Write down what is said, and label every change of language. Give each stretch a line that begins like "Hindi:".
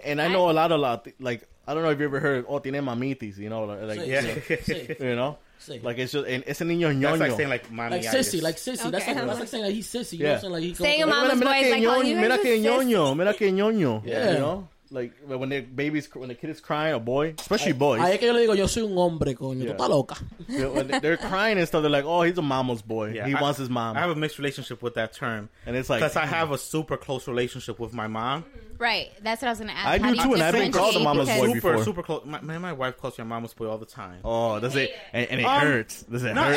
English: And I know a lot of like I don't know if you ever heard
Spanish: "Oh, tiene mamitis,"
English: you know, like
Spanish: sí,
English: yeah,
Spanish: sí.
English: You know. See. Like it's just and it's a
Spanish: niño ñoño.
English: That's like saying like mommy. Like sissy, like sissy. Okay. That's like saying that like, he's sissy. You know what I'm saying? Like he's saying a mama's voice. Like
Spanish: mira que ñoño, mira que ñoño.
English: Yeah. You know? Like when their babies, when the kid is crying, a boy, especially boys.
Spanish: Ay, es que yo le digo, yo soy un hombre, coño, tú estás loca.
English: Yeah, when they're crying and stuff, they're like, oh, he's a mama's boy. Yeah, he wants his mom. I have a mixed relationship with that term. And it's like, because I have a super close relationship with my mom. Right. That's what I was going to ask. I do too, and I've been called a mama's boy super, before. Super close. My wife calls me a mama's boy all the time. Oh, does it? And it hurts. Does it hurt?